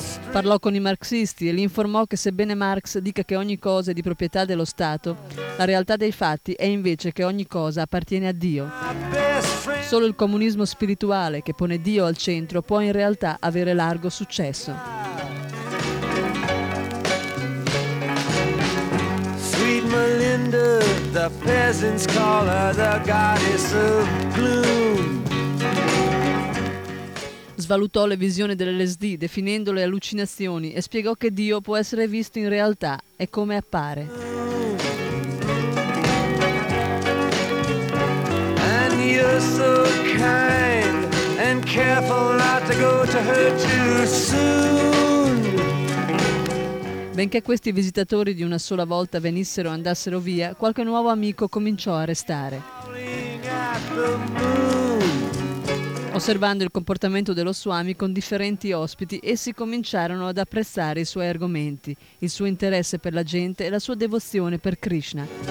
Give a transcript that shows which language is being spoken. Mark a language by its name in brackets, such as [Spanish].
[Italian] Parlò con i marxisti e li informò che sebbene Marx dica che ogni cosa è di proprietà dello Stato, la realtà dei fatti è invece che ogni cosa appartiene a Dio. Solo il comunismo spirituale, che pone Dio al centro, può in realtà avere largo successo. [English] Sweet Melinda, the peasants call her the goddess of gloom. [Italian] Svalutò le visioni dell'LSD definendole allucinazioni e spiegò che Dio può essere visto in realtà e come appare. [English] And you're so kind and being careful not to go to her too soon. [Italian] Benché questi visitatori di una sola volta venissero o andassero via, qualche nuovo amico cominciò a restare. Osservando il comportamento dello Swami con differenti ospiti, essi cominciarono ad apprezzare i suoi argomenti, il suo interesse per la gente e la sua devozione per Krishna.